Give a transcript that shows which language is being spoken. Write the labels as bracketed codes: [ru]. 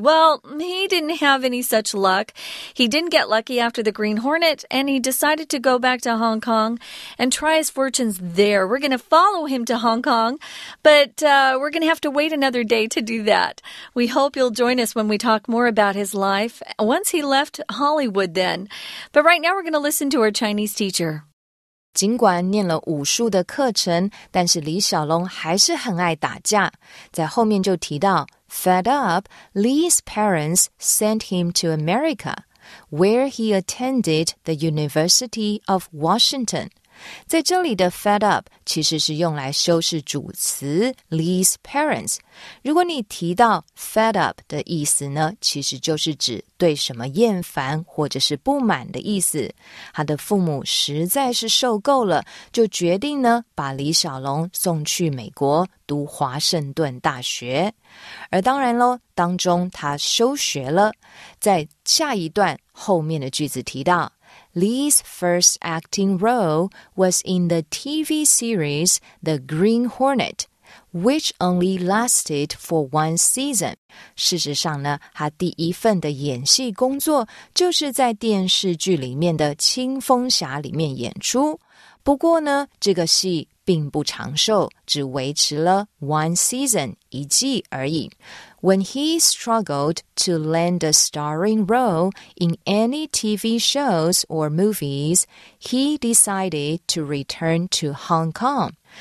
[en] Well, he didn't have any such luck. He didn't get lucky after the Green Hornet, and he decided to go back to Hong Kong and try his fortunes there. We're going to follow him to Hong Kong, but we're going to have to wait another day to do that. We hope you'll join us when we talk more about his life once he left Hollywood then. But right now, we're going to listen to our Chinese teacher. [zh] 尽管念了武术的课程，但是李小龙还是很爱打架。在后面就提到 [en] Fed up, Lee's parents sent him to America, where he attended the University of Washington. [zh] 在这里的 fed up 其实是用来修饰主词 Lee's parents. 如果你提到 fed up 的意思呢，其实就是指对什么厌烦或者是不满的意思。他的父母实在是受够了，就决定呢把李小龙送去美国读华盛顿大学。而当然咯，当中他休学了。在下一段后面的句子提到 [en] Lee's first acting role was in the TV series The Green Hornet, which only lasted for one season. [zh] 事实上呢，他第一份的演戏工作就是在电视剧里面的《青蜂侠》里面演出。不过呢，这个戏并不长寿，只维持了 [en] one season, [zh] 一季而已。 [en] When he struggled to land a starring role in any TV shows or movies, he decided to return to Hong Kong.